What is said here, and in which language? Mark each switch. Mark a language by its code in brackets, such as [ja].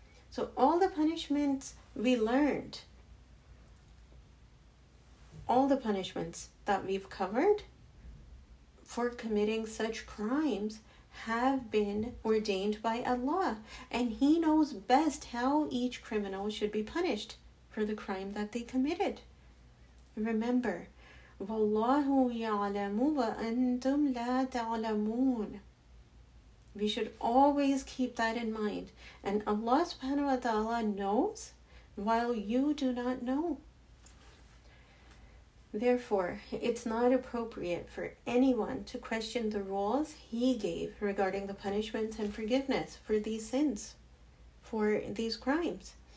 [en] So all the punishments we learned, all the punishments that we've covered for committing such crimes, have been ordained by Allah, and He knows best how each criminal should be punished for the crime that they committed. Remember, [ar] وَاللَّهُ يَعْلَمُ وَأَنْتُمْ لَا تَعْلَمُونَ. [en] We should always keep that in mind. And Allah subhanahu wa ta'ala knows while you do not know. Therefore, it's not appropriate for anyone to question the rules He gave regarding the punishments and forgiveness for these sins, for these crimes.